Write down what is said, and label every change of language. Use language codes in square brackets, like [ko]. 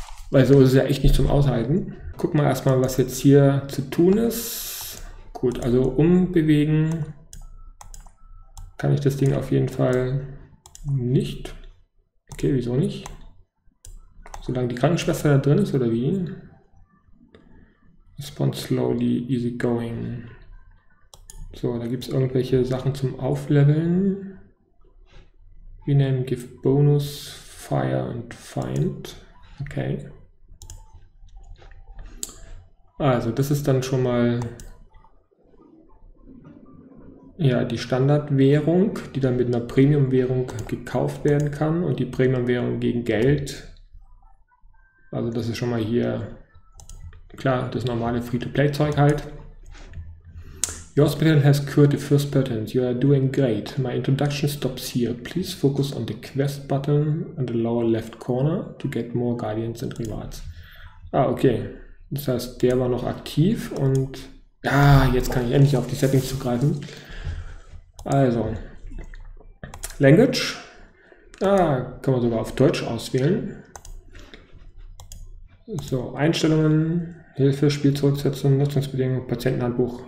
[de] Weil so ist es ja echt nicht zum Aushalten. Guck mal erstmal, was jetzt hier zu tun ist. Gut, also umbewegen kann ich das Ding auf jeden Fall nicht. Okay, wieso nicht? Solange die Krankenschwester da drin ist, oder wie? [en] Respond slowly, easy going. [de] So, da gibt es irgendwelche Sachen zum Aufleveln. [en] Rename, give bonus, fire and find. Okay. [de] Also, das ist dann schon mal ja, die Standardwährung, die dann mit einer Premium-Währung gekauft werden kann und die Premium-Währung gegen Geld. Also das ist schon mal hier, klar, das normale Free-to-Play-Zeug halt. [en] Your hospital has cured the first patient. You are doing great. My introduction stops here. Please focus on the quest button on the lower left corner to get more guardians and rewards. Ah, okay. [de] Das heißt, der war noch aktiv und ja, jetzt kann ich endlich auf die Settings zugreifen. Also, Language. Ah, kann man sogar auf Deutsch auswählen. So, Einstellungen, Hilfe, Spiel zurücksetzen, Nutzungsbedingungen, Patientenhandbuch.